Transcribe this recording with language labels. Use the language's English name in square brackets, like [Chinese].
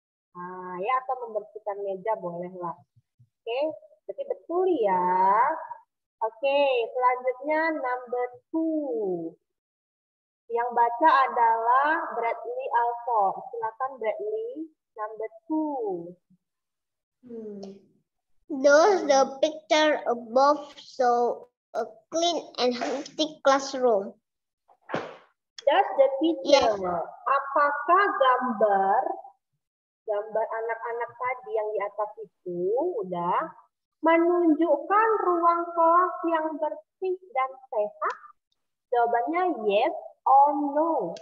[Indonesian] Nah, ya, atau membersihkan meja, boleh lah. Oke, berarti betul ya. Oke, selanjutnya [English] number two. [Indonesian] Yang baca adalah Bradley Alford. Silakan Bradley, [English] number two. Does the picture above show a clean and healthy classroom? Does the picture? Yes. [Indonesian] Apakah gambar anak-anak tadi yang di atas itu udah menunjukkan ruang kelas yang bersih dan sehat? Jawabannya [English] yes or no?